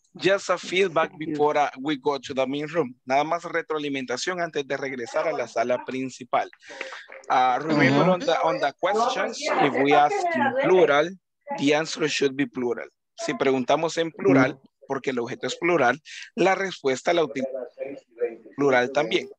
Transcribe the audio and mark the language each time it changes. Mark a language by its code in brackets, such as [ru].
[en] Just a feedback before we go to the main room. [es] Nada más retroalimentación antes de regresar a la sala principal. [en] Remember on the questions, if we ask in plural, the answer should be plural. [es] Si preguntamos en plural, porque el objeto es plural, la respuesta la utilizamos plural también.